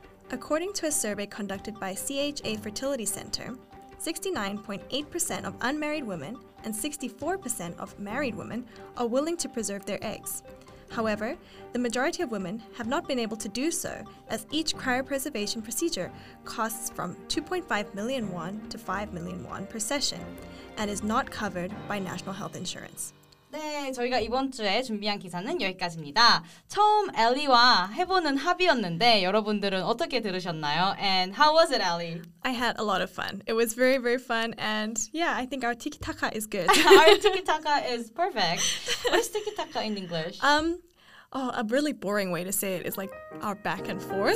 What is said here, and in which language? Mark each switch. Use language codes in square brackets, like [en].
[en] According to a survey conducted by CHA Fertility Center, 69.8% of unmarried women and 64% of married women are willing to preserve their eggs. However, the majority of women have not been able to do so as each cryopreservation procedure costs from 2.5 million won to 5 million won per session and is not covered by national health insurance. [ko] 네, 저희가 이번 주에 준비한 기사는 여기까지입니다. 처음 엘리와 해보는 합의였는데 여러분들은 어떻게 들으셨나요? [en] And how was it, Ellie? I had a lot of fun. It was very, very fun. And yeah, I think our tiki-taka is good. Our tiki-taka is perfect. What is tiki-taka in English? Oh, a really boring way to say it is like our back and forth.